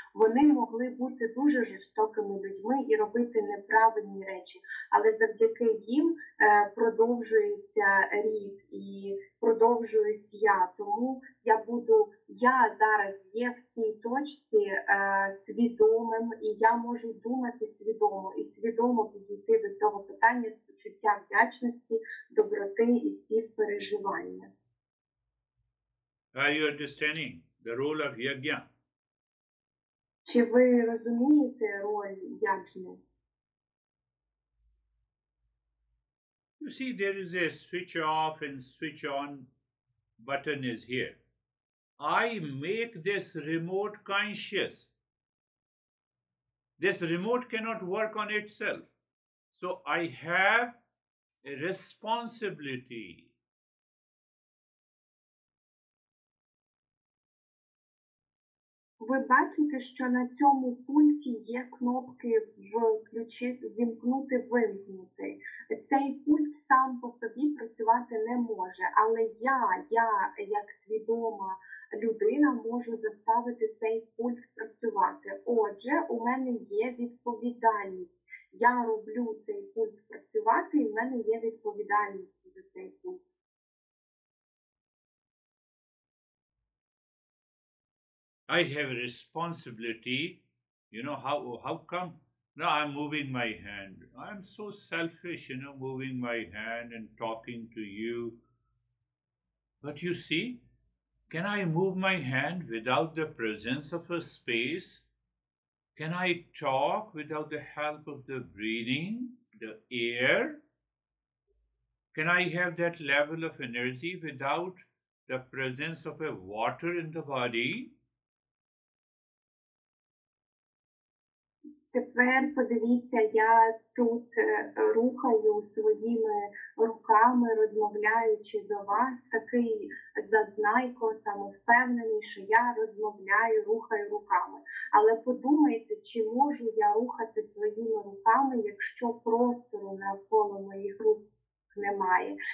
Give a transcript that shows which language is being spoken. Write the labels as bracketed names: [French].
[Ukrainian] Вони могли бути дуже жорстокими людьми і робити неправильні речі, але завдяки їм продовжується рід і продовжуюсь я. Тому я буду, я зараз є в цій точці свідомим, і я можу думати свідомо, і свідомо підійти до цього питання з почуття вдячності, доброти і співпереживання. [English] Are you understanding the role of yajna? [Ukrainian] Чи ви розумієте роль яджни? [English] You see, there is a switch off and switch on button is here. I make this remote conscious. This remote cannot work on itself. So I have a responsibility. [Ukrainian] Ви бачите, що на цьому пульті є кнопки «вімкнути-вимкнути». Цей пульт сам по собі працювати не може, але я як свідома людина можу заставити цей пульт працювати. Отже, у мене є відповідальність. Я роблю цей пульт працювати, і в мене є відповідальність за цей пульт. [English] I have a responsibility, you know, how come? Now I'm moving my hand. I'm so selfish, you know, moving my hand and talking to you. But you see, can I move my hand without the presence of a space? Can I talk without the help of the breathing, the air? Can I have that level of energy without the presence of a water in the body? [Ukrainian] Тепер подивіться, я тут рухаю своїми руками, розмовляючи до вас, такий зазнайко, самовпевнений, що я розмовляю, рухаю руками. Але подумайте, чи можу я рухати своїми руками, якщо простору навколо моїх рук немає?